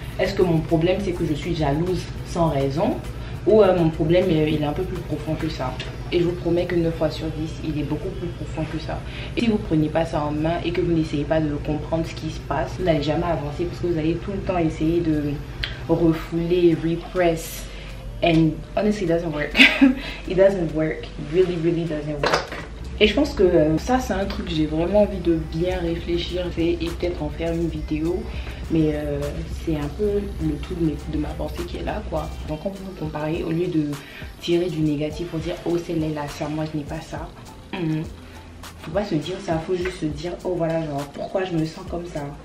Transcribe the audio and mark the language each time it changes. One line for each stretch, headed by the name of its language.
French: Est-ce que mon problème, c'est que je suis jalouse sans raison? Ou mon problème, il est un peu plus profond que ça. Et je vous promets que 9 fois sur 10, il est beaucoup plus profond que ça. Et si vous ne prenez pas ça en main et que vous n'essayez pas de comprendre ce qui se passe, vous n'allez jamais avancer parce que vous allez tout le temps essayer de refouler, repress.
English: And honestly, it doesn't work. It doesn't work. Really, really doesn't work.
French: Et je pense que ça, c'est un truc que j'ai vraiment envie de bien réfléchir et peut-être en faire une vidéo. Mais c'est un peu le tout de ma pensée qui est là, quoi. Donc quand vous vous comparez, au lieu de tirer du négatif pour dire « Oh, celle-là, là, ça, moi, je n'ai pas ça. » Faut pas se dire ça, faut juste se dire « Oh, voilà, genre, pourquoi je me sens comme ça ?»